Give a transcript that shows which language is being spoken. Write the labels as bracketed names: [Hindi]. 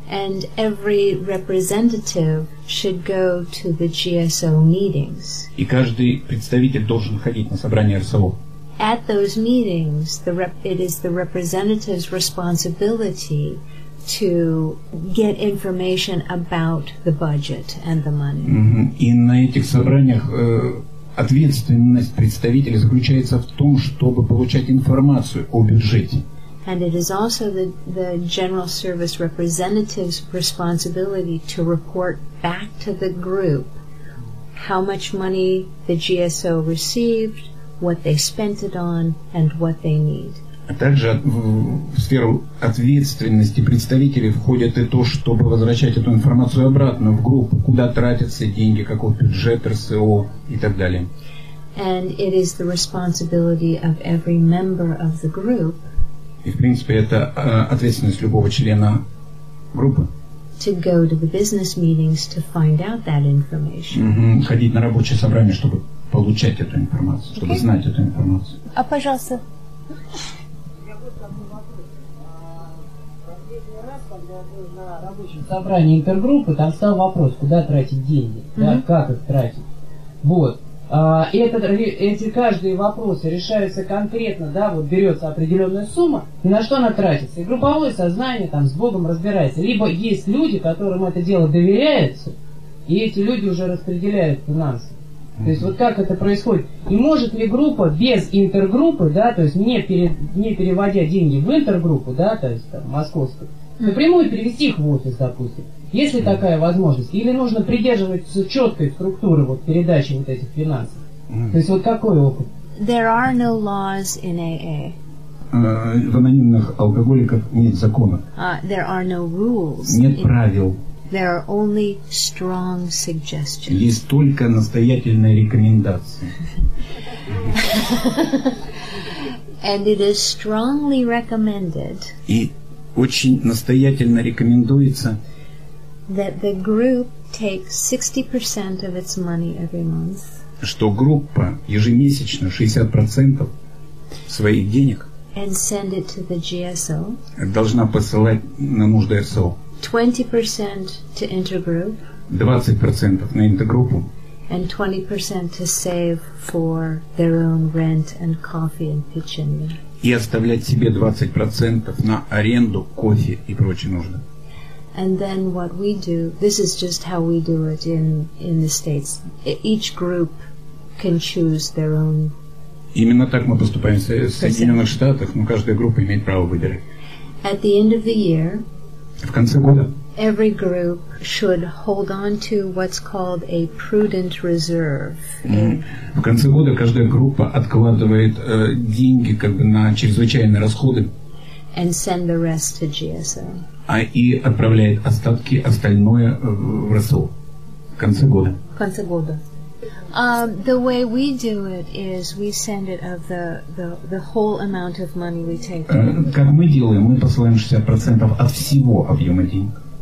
[English] And every representative should go to the GSO meetings. [Russian] И каждый представитель должен ходить на собрание РСО. [English] At those meetings, it is the representative's responsibility to get information about the budget and the money. [Russian] И на этих собраниях ответственность представителя заключается в том, чтобы получать информацию о бюджете. [English] And it is also the general service representative's responsibility to report back to the group how much money the GSO received, what they spent it on, and what they need. [Russian] А также в сферу ответственности представителей входит и то, чтобы возвращать эту информацию обратно в группу, куда тратятся деньги, какой бюджет РСО и так далее. [English] And it is the responsibility of every member of the group. [Russian] И в принципе это ответственность любого члена группы. [English] To go to the business meetings to find out that information. [Russian] Ходить на рабочие собрания, чтобы получать эту информацию, чтобы знать эту информацию. А пожалуйста. На рабочем собрании интергруппы там стал вопрос, куда тратить деньги, да, как их тратить. Вот. Эти каждые вопросы решаются конкретно, да, вот берется определенная сумма, и на что она тратится. И групповое сознание там с Богом разбирается. Либо есть люди, которым это дело доверяется, и эти люди уже распределяют финансы. То есть вот как это происходит? И может ли группа без интергруппы, да, то есть не переводя деньги в интергруппу, да, то есть там московскую, напрямую перевести их в офис, допустим. Есть ли такая возможность? Или нужно придерживаться четкой структуры вот, передачи вот этих финансов? То есть вот какой опыт? [English] There are no laws in AA. [Russian] В анонимных алкоголиках нет закона. [English] There are no rules. [Russian] Нет правил. [English] There are only strong suggestions. [Russian] Есть только настоятельные рекомендации. [English] And it is strongly recommended. [Russian] Очень настоятельно рекомендуется, [English] that the group take 60% of its money every month, [Russian] что группа ежемесячно 60% своих денег [English] and send it to the GSO, [Russian] должна посылать на нужды РСО, [English] 20% to intergroup, [Russian] 20% на интергруппу, [English] and 20% to save for their own rent and coffee and kitchen. [Russian] И оставлять себе 20% на аренду, кофе и прочее нужно. [English] And then what we do, this is just how we do it in the States. Each group can choose their own. [Russian] Именно так мы поступаем в Соединенных Штатах, но каждая группа имеет право выбирать. [English] At the end of the year, [Russian] в конце года, [English] every group should hold on to what's called a prudent reserve. [Russian] В конце года каждая группа откладывает деньги как бы на чрезвычайные расходы. [English] And send the rest to GSO. [Russian] А и отправляет остатки остальное в РСО в конце года. В конце года. [English] The way we do it is we send it of the whole amount of money we take. [Russian] Как мы делаем? Мы посылаем 60% от всего объема денег.